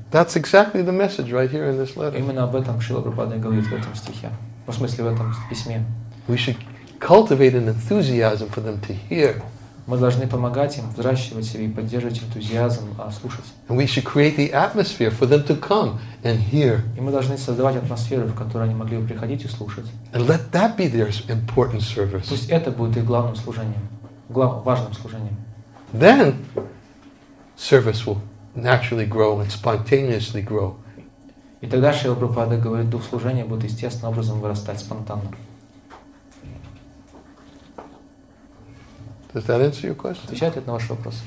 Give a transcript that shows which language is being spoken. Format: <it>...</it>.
<en>That's exactly the message right here in this letter.</en> <ru>Именно об этом Шрила Прабхупада говорит в этом стихе, в смысле в этом письме.</ru> <en>We should cultivate an enthusiasm for them to hear.</en> <ru>Мы должны помогать им, взращивать себе и поддерживать энтузиазм, а слушать.</ru> <en>And we should create the atmosphere for them to come and hear.</en> <ru>И мы должны создавать атмосферу, в которую они могли бы приходить и слушать.</ru> <en>And let that be their important service.</en> <ru>Пусть это будет их главным служением, важным служением.</ru> <en>Then service will naturally grow and spontaneously grow.</en> <ru>И тогда Шрила Прабхупада говорит, дух служения будет естественным образом вырастать спонтанно.</ru> <en>Does that answer your question?</en> <ru>Отвечает это на ваш вопрос?</ru>